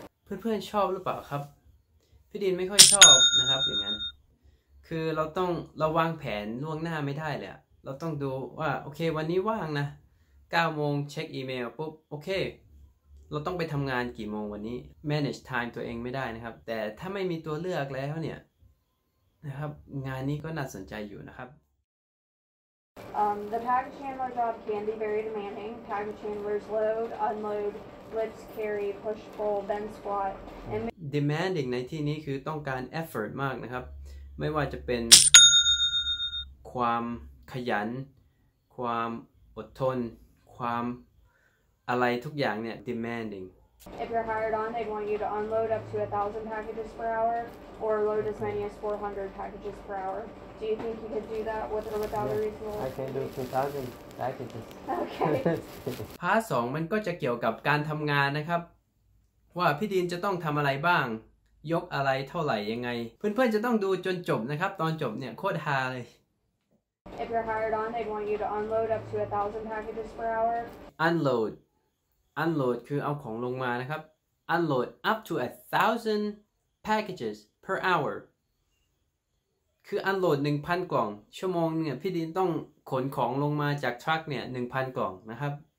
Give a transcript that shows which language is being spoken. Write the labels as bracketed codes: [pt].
[th] เพื่อนๆชอบหรือเปล่าครับพี่ดินไม่ค่อยชอบนะครับอย่างนั้นคือเราต้องเราวางแผนล่วงหน้าไม่ได้เลยเราต้องดูว่าโอเควันนี้ว่างนะ9โมงเช็คอีเมลปุ๊บโอเคเราต้องไปทำงานกี่โมงวันนี้ [en] manage time [th] ตัวเองไม่ได้นะครับแต่ถ้าไม่มีตัวเลือกแล้วเนี่ยนะครับงานนี้ก็น่าสนใจอยู่นะครับ [en] The package handler job can be very demanding. Package handlers load, unload, lift, carry, push, pull, bend, squat. [th] Demanding ในที่นี้คือต้องการ effort มากนะครับไม่ว่าจะเป็นความขยันความอดทนความอะไรทุกอย่างเนี่ย demanding. [en] If you're hired on, they want you to unload up to 1,000 packages per hour or load as many as 400 packages per hour. Do you think you could do that with or without yeah, a reasonable? I can do 2,000 packages. Okay. [th] พาร์ท 2มันก็จะเกี่ยวกับการทำงานนะครับว่าพี่ดินจะต้องทำอะไรบ้างยกอะไรเท่าไหร่ยังไงเพื่อนๆจะต้องดูจนจบนะครับตอนจบเนี่ยโคตรฮาเลย [en] If you're hired on, they want you to unload up to 1,000 packages per hour. [th] Unload คือเอาของลงมานะครับ [en] Unload up to 1,000 packages per hour. [th] คืออันโหลด 1,000 กล่องชั่วโมงเนี่ยพี่ดินต้องขนของลงมาจากทรัคเนี่ย 1,000 กล่องนะครับ